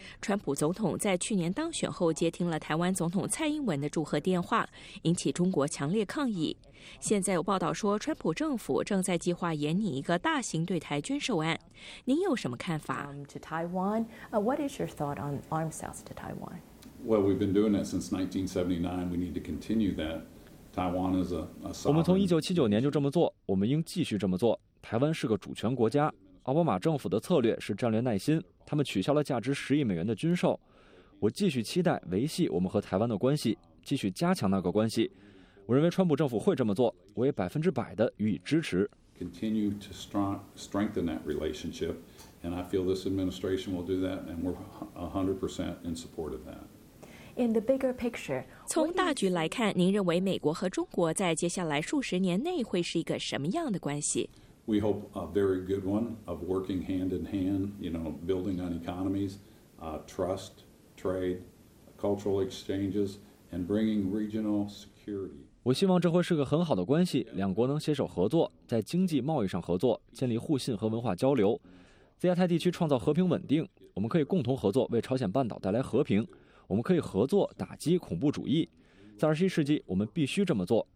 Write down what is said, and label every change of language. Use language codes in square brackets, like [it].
[zh] 川普总统在去年当选后接听了台湾总统蔡英文的祝贺电话，引起中国强烈抗议。现在有报道说，川普政府正在计划研拟一个大型对台军售案。您有什么看法 [en] ？To Taiwan, what is your thought on arms sales to Taiwan? Well, we've been doing that since 1979. We need to continue that. [zh] 我们从1979年就这么做，我们应继续这么做。台湾是个主权国家。奥巴马政府的策略是战略耐心，他们取消了价值10亿美元的军售。我继续期待维系我们和台湾的关系，继续加强那个关系。我认为川普政府会这么做，我也100%的予以支持。 [en] Continue to strengthen that relationship, and I feel this administration will do that, and we're 100% in support of that. In the bigger picture, [zh] 从大局来看，您认为美国和中国在接下来数十年内会是一个什么样的关系 [en] ？We hope a very good one of working hand in hand, you know, building on economies, trust, trade, cultural exchanges, and bringing regional security. [zh] 我希望这会是个很好的关系，两国能携手合作，在经济贸易上合作，建立互信和文化交流，在亚太地区创造和平稳定。我们可以共同合作，为朝鲜半岛带来和平。我们可以合作打击恐怖主义，在21世纪，我们必须这么做。